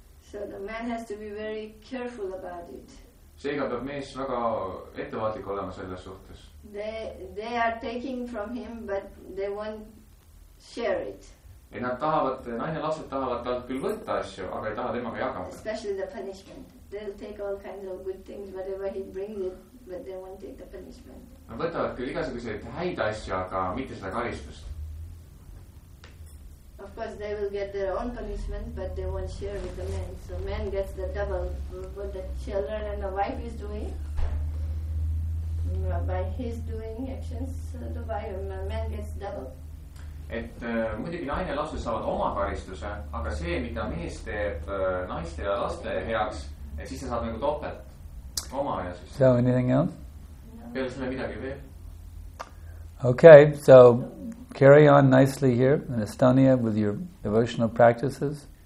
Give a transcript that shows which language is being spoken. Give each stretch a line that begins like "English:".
English: So the man has to be very careful about it.
Estonian: Seega peab mees väga ettevaatlik olema selles suhtes.
English: They are taking from him, but they won't share it.
Estonian: Ja nad tahavad, naine lapsed tahavad talt küll võtta asju, aga ei taha temaga jagada.
English: Especially the punishment. They'll take all kinds of good things, whatever he brings it, but they won't take the punishment.
Estonian: Nad võtavad küll igasuguseid häid asju, aga mitte seda karistust.
English: Of course, they will get their own punishment, but they won't share with the men. So men gets the double what the children and the wife is doing. By his doing actions, the wife, man gets double.
Estonian: et muidugi naine ja lapsed saavad oma karistuse, aga see, mida mees teeb naiste ja laste heaks, et siis sa saad nagu topelt oma ja siis.
English: So anything else?
Estonian: Peale selle midagi veel.
English: Okay, so carry on nicely here in Estonia with your devotional practices.